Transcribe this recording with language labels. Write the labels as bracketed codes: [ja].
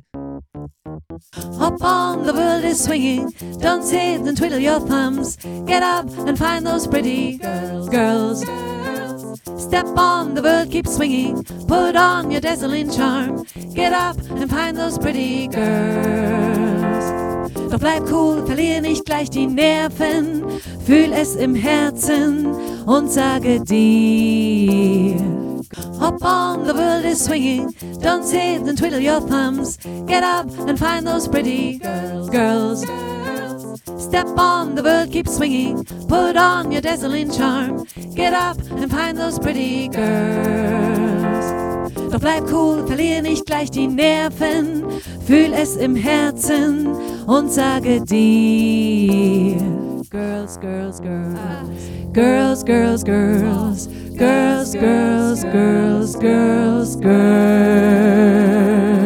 [en] Tick, tack, tack, tick. Hop on, the world is swinging. Don't sit and twiddle your thumbs. Get up and find those pretty girls, girls, girls. Step on, the world keeps swinging. Put on your dazzling charm. Get up and find those pretty girls. [de] Doch bleib cool, verlier nicht gleich die Nerven. Fühl es im Herzen und sage dir. [en] Hop on, the world is swinging. Don't sit and twiddle your thumbs. Get up and find those pretty girls, girls, girls. Step on, the world keeps swinging. Put on your dazzling charm. Get up and find those pretty girls. [de] Doch bleib cool, verlier nicht gleich die Nerven. Fühl es im Herzen und sage dir. [en] Girls, girls, girls. Girls, girls, girls. Girls, girls, girls, girls, girls, girls.